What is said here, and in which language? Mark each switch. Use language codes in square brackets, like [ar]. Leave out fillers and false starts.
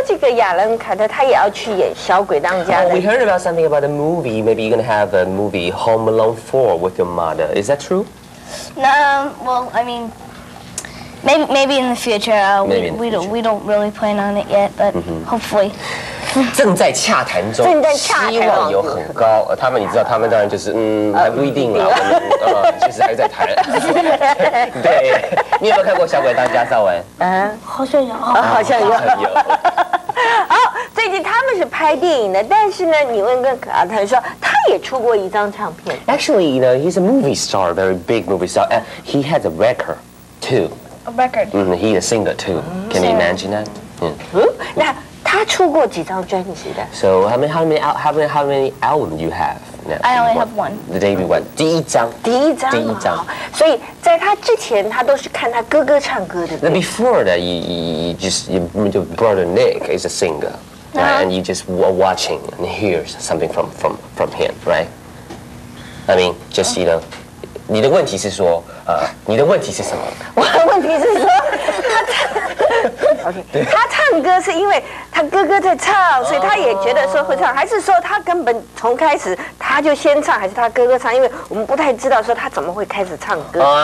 [zh] 说这个亚伦凯特他也要去演小鬼当家的、 [en] oh, We heard about something about a movie. Maybe you're going to have a movie Home Alone 4 with your mother. Is that true? No, well, I mean, maybe in the future. We don't really plan on it yet, but、mm-hmm. hopefully. [zh] 正在洽谈中，希望有很高。他们你知道，他们当然就是还不一定了。其实还在谈。对，你有没有看过《小鬼当家》邵文？嗯，好像有，好像有。好，最近他们是拍电影的，但是呢，你问跟卡特说，他也出过一张唱片。 [en] Actually, you know, he's a movie star, very big movie star, and he has a record too. A record. He is a singer too. Can you imagine that? [zh] 他出过几张专辑的 [en] ？So how many album you have? Now? I only have one. The debut one, [zh] 第一张。所以在他之前，他都是看他哥哥唱歌的。 [en] 那 before that, your brother Nick is a singer,、uh-huh. and you just were watching and hear something from him, right? I mean, just you know. [zh] 你的问题是说，你的问题是什么？我的问题是说，他唱歌是因为他哥哥在唱，所以他也觉得说会唱，还是说他根本从开始他就先唱，还是他哥哥唱？因为我们不太知道说他怎么会开始唱歌。